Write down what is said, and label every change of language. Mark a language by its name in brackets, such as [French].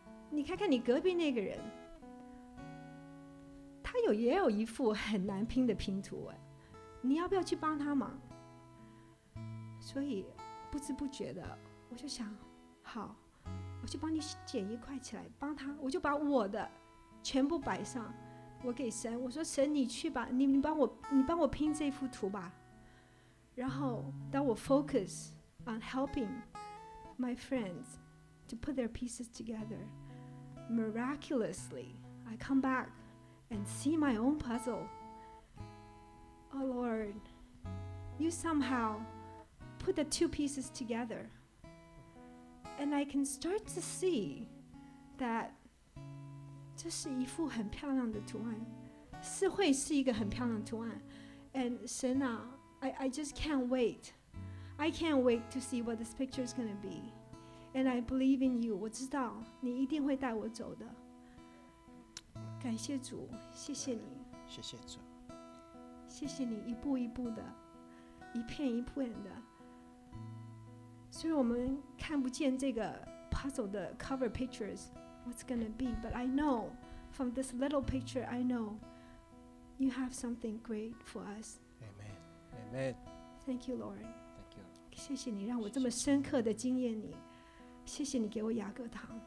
[Chinese] 你看看你隔壁那个人，他也有一副很难拼的拼图，你要不要去帮他忙？所以不知不觉的，我就想，好，我去帮你捡一块起来帮他。我就把我的全部摆上，我给神，我说，神你去吧， 你帮我拼这幅图吧。 [English] 然后当我 focus on helping my friends to put their pieces together, miraculously I come back and see my own puzzle. Oh Lord, you somehow put the two pieces together, and I can start to see that 这是一幅很漂亮的图案，是会是一个很漂亮的图案。 And 神啊， I just can't wait. I can't wait to see what this picture is going to be. [Chinese] And I believe in you. 我知道你一定会带我走的。感谢主，谢谢你。谢谢主。谢谢你一步一步的，一片一片的。 [English] 所以我们看不见这个 puzzle 的 cover pictures,What's going to be, but I know from this little picture, I know you have something great for us. Amen. Amen. Thank you, Lord. Thank you. [Chinese] 谢谢你让我这么深刻的经验你，谢谢你给我雅各堂。